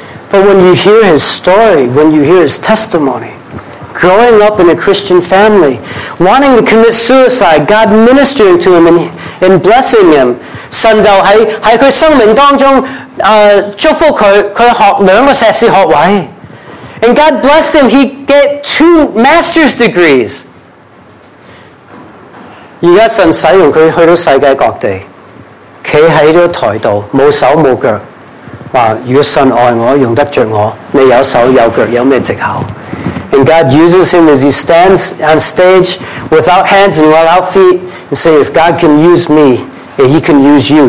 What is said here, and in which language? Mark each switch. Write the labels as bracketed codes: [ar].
[en] But when you hear his story, when you hear his testimony, growing up in a Christian family, wanting to commit suicide, God ministering to him and blessing him. [zh] 神就在他生命当中祝福他，他学两个硕士学位。 [en] And God blessed him, he get two master's degrees. [zh] 现在神使用他去到世界各地，站在台上，没手没脚，说：“要神爱我，用得着我，你有手有脚，有什么藉口？” [en] And God uses him as he stands on stage without hands and without feet and say, if God can use me, yeah, he can use you.